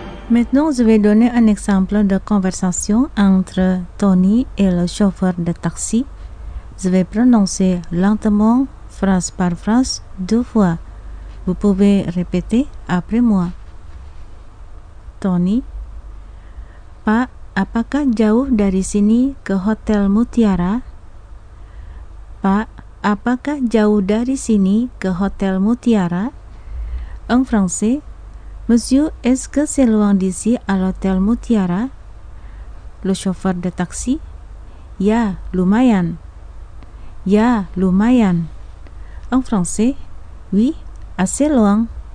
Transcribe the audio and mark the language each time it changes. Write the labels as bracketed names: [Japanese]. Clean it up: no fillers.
[French] Maintenant, je vais donner un exemple de conversation entre Tony et le chauffeur de taxi. Je vais prononcer lentement, phrase par phrase, deux fois. Vous pouvez répéter après moi. [Indonesian] Tony: Pak, apakah jauh dari sini ke Hotel Mutiara? Pak, apakah jauh dari sini ke Hotel Mutiara? [French] En français: Monsieur, est-ce que c'est loin d'ici à l'Hôtel Mutiara? Le chauffeur de taxi: [Indonesian] Ya, lumayan. Ya, lumayan. [French] En français: Oui, assez loin.